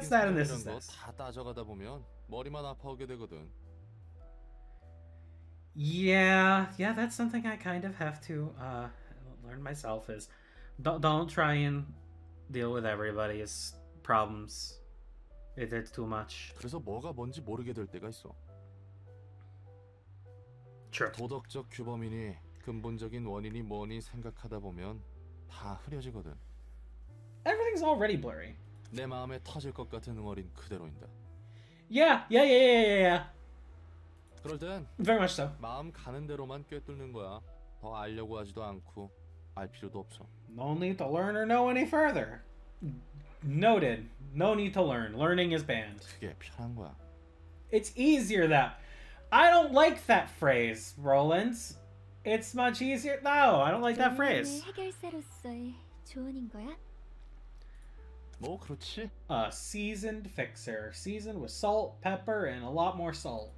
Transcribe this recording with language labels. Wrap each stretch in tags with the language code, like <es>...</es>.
<en>That's that in this sense.</en> <ko>거다따져가다보면머리만아파하게되거든</ko> <en>Yeah, that's something I kind of have to learn myself is don't try and deal with everybody's problems. It's too much.</en> <ko>그래서뭐가뭔지모르게될때가있어</ko> <en>True.</en> <ko>도덕적규범이니근본적인원인이뭐니생각하다보면다흐려지거든</ko> <en>Everything's already blurry.</en> <ko>내마음에터질것같은응어린그대로인다</ko> <en>Yeah.</en> <ko>그럴땐</ko> <en>Very much so.</en> <ko>마음가는대로만꿰뚫는거야더알려고하지도않고알필요도없어</ko> <en>No need to learn or know any further. Noted. No need to learn. Learning is banned.</en> <ko>그게편한거야</ko> <en>It's easier that. I don't like that phrase, Roland. It's much easier. No, I don't like that phrase.</en> <ko>해결사로서의조언인거야 뭐그렇지</ko> <en>A seasoned fixer. Seasoned with salt, pepper, and a lot more salt.</en>